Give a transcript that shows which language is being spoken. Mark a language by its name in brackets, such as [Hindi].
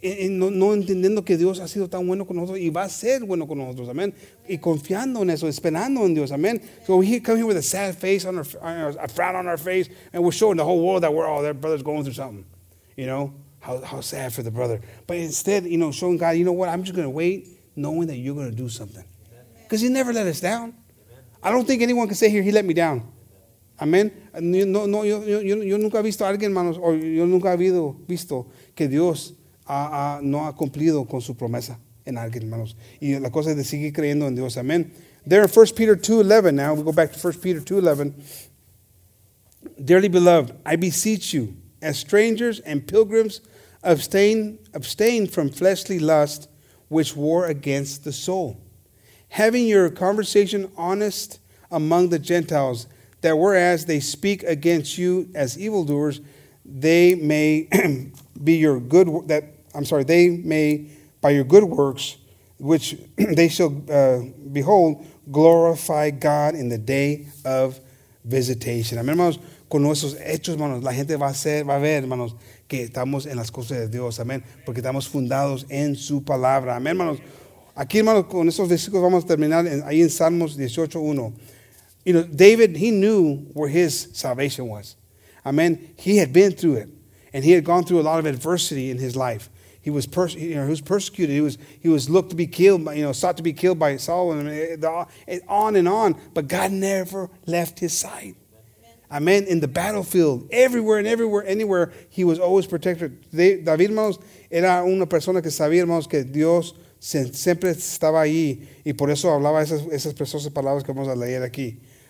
[Spanish] No entendiendo que Dios ha sido tan bueno con nosotros y va a ser bueno con nosotros, amén. Y confiando en eso, esperando en Dios, amén. [English] So we come here with a sad face, a frown on our face, and we're showing the whole world that we're all, their brother's going through something. You know, how sad for the brother. But instead, you know, showing God, you know what, I'm just going to wait knowing that you're going to do something. Because he never let us down. I don't think anyone can say here, he let me down. [Spanish] Amén. Yo nunca he visto a alguien, hermanos, o yo nunca he visto que Dios no ha cumplido con su promesa en alguien, hermanos. Y la cosa es de seguir creyendo en Dios. Amén. [English] There in 1 Peter 2:11 now, we go back to 1 Peter 2:11. Dearly beloved, I beseech you, as strangers and pilgrims, abstain from fleshly lust, which war against the soul. Having your conversation honest among the Gentiles, that whereas they speak against you as evildoers, they may be your good, that I'm sorry, they may, by your good works, which they shall behold, glorify God in the day of visitation. [Spanish] Amén, hermanos, con nuestros hechos, hermanos, la gente va a ver, hermanos, que estamos en las cosas de Dios, amén, porque estamos fundados en su palabra. Amén, hermanos. Aquí, hermanos, con estos versículos vamos a terminar ahí en Salmos 18:1. [English] You know, David, he knew where his salvation was. Amen. He had been through it. And he had gone through a lot of adversity in his life. He was he was persecuted. He was looked to be killed, sought to be killed by Saul. And on. But God never left his side. Amen. In the battlefield, everywhere, he was always protected. [Spanish] David, hermanos, era una persona que sabía, hermanos, que Dios siempre estaba ahí. Y por eso hablaba esas preciosas palabras que vamos a leer aquí.